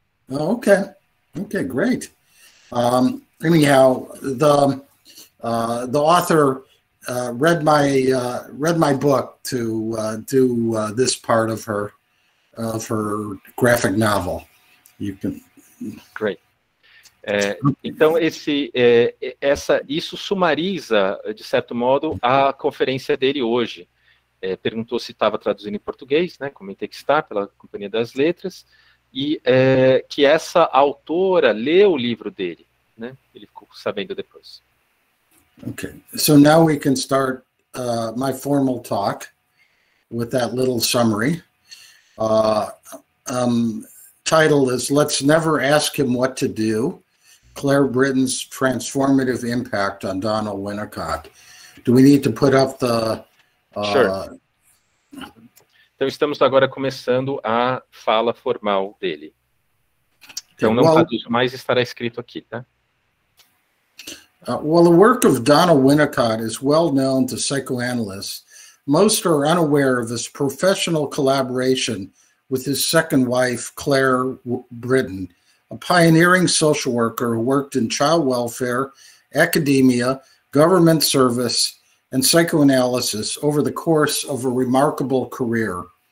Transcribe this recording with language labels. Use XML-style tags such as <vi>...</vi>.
<en>Okay, great. Anyhow, the author read my book to do this part of her graphic novel. Great.</en> <pt>Então isso sumariza de certo modo a conferência dele hoje. Perguntou se estava traduzindo em português, né? Comentei que está pela Companhia das Letras. E que essa autora leu o livro dele, né? Ele ficou sabendo depois. Ok.</pt> <en>So now we can start my formal talk with that little summary. Title is Let's Never Ask Him What to Do: Clare Britton's Transformative Impact on Donald Winnicott. Do we need to put up the... Sure.</en> <pt>Então, estamos agora começando a fala formal dele. Então, não traduzo mais, estará escrito aqui, tá?</pt> <en>The work of Donald Winnicott is well known to psychoanalysts. Most are unaware of his professional collaboration with his second wife, Clare Britton, a pioneering social worker who worked in child welfare, academia, government service, and psychoanalysis over the course of a remarkable career.</en>